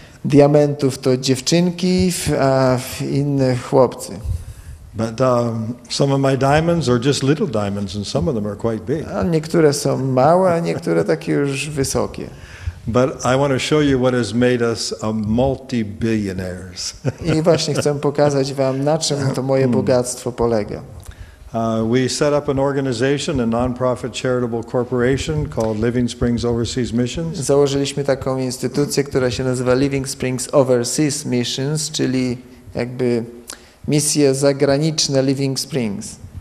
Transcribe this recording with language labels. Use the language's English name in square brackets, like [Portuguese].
[Polish] diamentów to dziewczynki, a inne chłopcy. [English] But some of my diamonds are just little diamonds, and some of them are quite big. [Polish] A niektóre są małe, a niektóre takie już wysokie. [English] But I want to show you what has made us a multi-billionaires. [Polish] I właśnie chcę pokazać wam, na czym to moje bogactwo polega. [English] We set up an organization, a non-profit charitable corporation called Living Springs Overseas Missions. [Polish] Założyliśmy taką instytucję, która się nazywa Living Springs Overseas Missions, czyli jakby misje zagraniczne Living Springs.